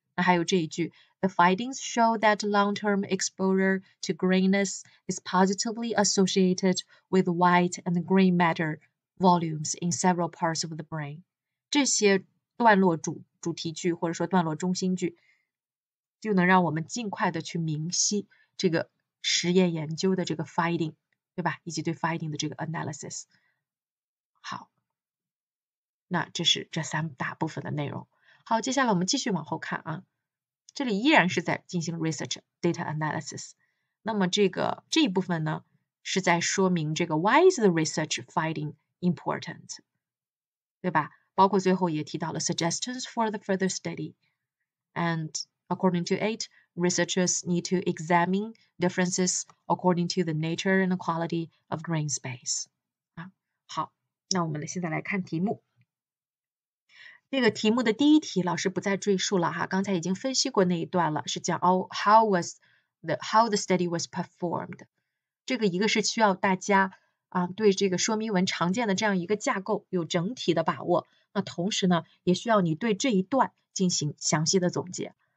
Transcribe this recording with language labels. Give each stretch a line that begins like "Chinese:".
Chinese: 那还有这一句
English: ，The findings show that long-term exposure to greenness is positively associated with white and gray matter volumes in several parts of the brain。
Chinese: 这些段落主题句或者说段落中心句，就能让我们尽快的去明晰这个实验研究的这个 finding， 对吧？以及对 finding 的这个 analysis。好，那这是这三大部分的内容。好，接下来我们继续往后看啊，这里依然是在进行 research data analysis。那么这一部分呢，是在说明这个
English: why is the research finding important？
Chinese: 对吧？包括最后也提到了
English: suggestions for the further study。 And according to it, researchers need to examine differences according to the nature and the quality of green space.
Chinese: 啊，好，那我们现在来看题目。这个题目的第一题，老师不再赘述了哈，刚才已经分析过那一段了，是讲
English: how the study was performed。
Chinese: 这个一个是需要大家啊对这个说明文常见的这样一个架构有整体的把握，那同时呢，也需要你对这一段进行详细的总结。